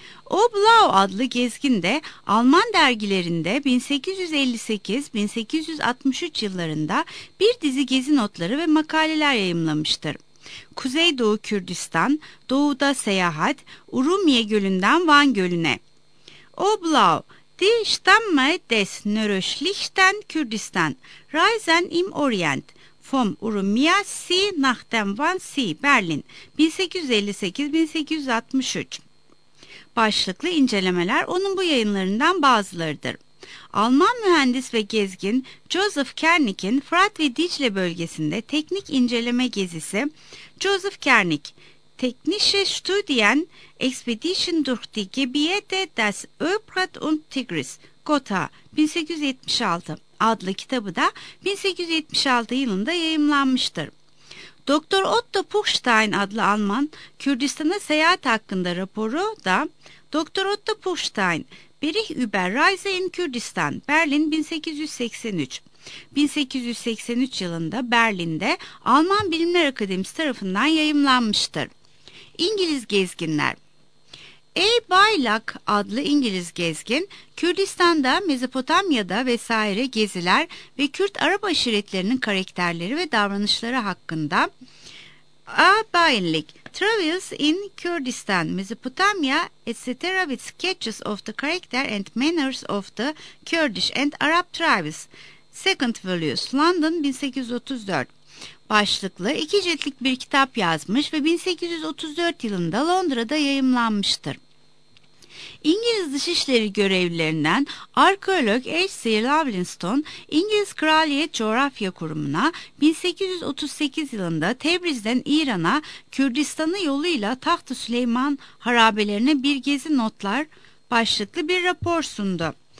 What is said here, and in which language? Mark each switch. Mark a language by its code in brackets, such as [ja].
[tr] O Blau adlı gezgin de Alman dergilerinde 1858-1863 yıllarında bir dizi gezi notları ve makaleler yayımlamıştır. Kuzeydoğu Kürdistan, Doğu'da Seyahat, Urumiye Gölü'nden Van Gölü'ne. [de] O Blau, Die Stamme des Nördlichsten Kürdistan, Reisen im Orient, vom Urumiya See nach dem Van See, Berlin, 1858-1863. [tr] Başlıklı incelemeler onun bu yayınlarından bazılarıdır. Alman mühendis ve gezgin Joseph Kernik'in Fırat ve Dicle bölgesinde teknik inceleme gezisi Joseph Kernik [de] Technische Studien Expedition durch die Gebiete des Euphrat und Tigris [tr] Gotha 1876 adlı kitabı da 1876 yılında yayımlanmıştır. Doktor Otto Puchstein adlı Alman Kürdistan'a seyahat hakkında raporu da Doktor Otto Puchstein [de] Berich über Reise in Kürdistan, [tr] Berlin 1883. 1883 yılında Berlin'de Alman Bilimler Akademisi tarafından yayımlanmıştır. İngiliz gezginler. A. Baylak adlı İngiliz gezgin, Kürdistan'da, Mezopotamya'da vesaire geziler ve Kürt Arap aşiretlerinin karakterleri ve davranışları hakkında A. [en] Baylak Travels in Kurdistan, Mesopotamia, etc. with sketches of the character and manners of the Kurdish and Arab tribes. Second Volume, London 1834. [tr] Başlıklı iki ciltlik bir kitap yazmış ve 1834 yılında Londra'da yayımlanmıştır. İngiliz dışişleri görevlilerinden arkeolog H.C. Lavlinstone, İngiliz Kraliyet Coğrafya Kurumu'na 1838 yılında Tebriz'den İran'a Kürdistan'ı yoluyla Taht-ı Süleyman harabelerine bir gezi notlar başlıklı bir rapor sundu.